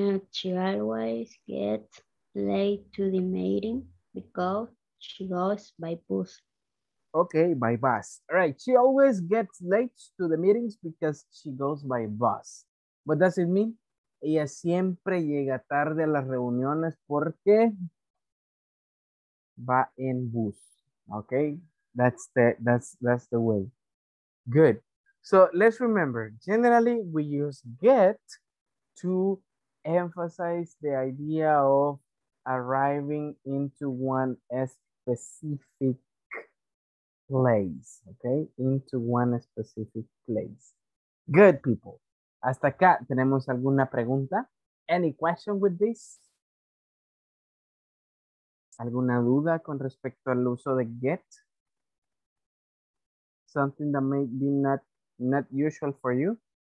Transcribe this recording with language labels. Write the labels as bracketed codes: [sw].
[en] She always gets late to the meeting because she goes by bus. Okay, by bus. All right, she always gets late to the meetings because she goes by bus. What does it mean? [es] Ella siempre llega tarde a las reuniones porque va en bus. [en] Okay, that's the way. Good. So let's remember, generally we use get to emphasize the idea of arriving into one specific place. Okay, into one specific place. Good, people. [es] Hasta acá, ¿tenemos alguna pregunta? [en] Any question with this? [es] ¿Alguna duda con respecto al uso de get? [en] Something that may be not usual for you.